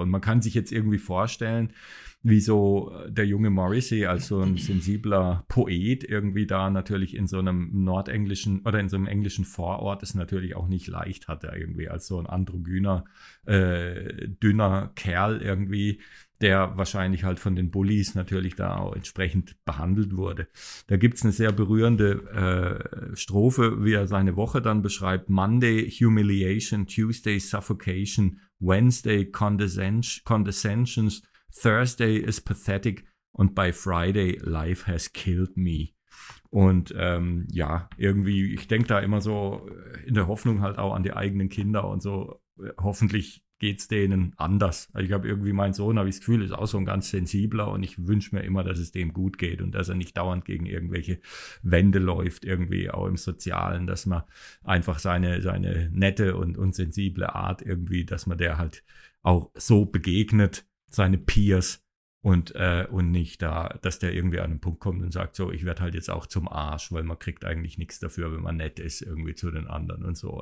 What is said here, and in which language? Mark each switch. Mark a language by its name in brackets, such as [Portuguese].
[German] Und man kann sich jetzt irgendwie vorstellen, wie so der junge Morrissey als so ein sensibler Poet irgendwie da natürlich in so einem nordenglischen oder in so einem englischen Vorort es natürlich auch nicht leicht hat, er irgendwie als so ein androgyner, dünner Kerl irgendwie, der wahrscheinlich halt von den Bullies natürlich da auch entsprechend behandelt wurde. Da gibt's eine sehr berührende Strophe, wie er seine Woche dann beschreibt. [English] Monday, humiliation. Tuesday, suffocation. Wednesday, condescensions. Thursday is pathetic. And by Friday, life has killed me. [German] Und ja, irgendwie, ich denke da immer so in der Hoffnung halt auch an die eigenen Kinder und so, hoffentlich geht es denen anders. Ich habe irgendwie, mein Sohn, habe ich das Gefühl, ist auch so ein ganz sensibler, und ich wünsche mir immer, dass es dem gut geht und dass er nicht dauernd gegen irgendwelche Wände läuft, irgendwie auch im Sozialen, dass man einfach seine nette und unsensible Art irgendwie, dass man der halt auch so begegnet, seine Peers, und nicht da, dass der irgendwie an einen Punkt kommt und sagt, so, ich werde halt jetzt auch zum Arsch, weil man kriegt eigentlich nichts dafür, wenn man nett ist irgendwie zu den anderen und so.